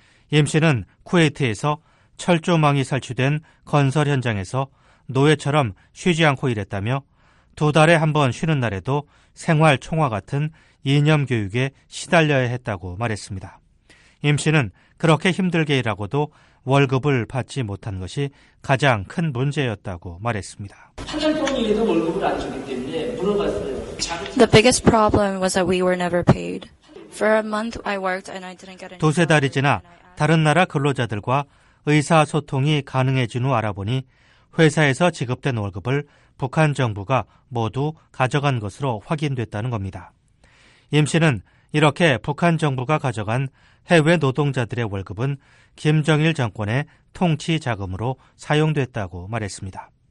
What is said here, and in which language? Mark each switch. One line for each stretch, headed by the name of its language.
Korean: 임 씨는 쿠웨이트에서 철조망이 설치된 건설 현장에서 노예처럼 쉬지 않고 일했다며 두 달에 한 번 쉬는 날에도 생활 총화 같은 이념 교육에 시달려야 했다고 말했습니다. 임 씨는 그렇게 힘들게 일하고도 월급을 받지 못한 것이 가장 큰 문제였다고 말했습니다. 8년 동안 일해서 월급을 안 주기 때문에 물어봤어요.
English: The biggest problem was that we were never paid. For a month I worked and I didn't get any.
Korean: 두세 달이 지나 다른 나라 근로자들과 의사소통이 가능해진 후 알아보니 회사에서 지급된 월급을 북한 정부가 모두 가져간 것으로 확인됐다는 겁니다. 임 씨는 이렇게 북한 정부가 가져간 해외 노동자들의 월급은 김정일 정권의 통치 자금으로 사용됐다고 말했습니다.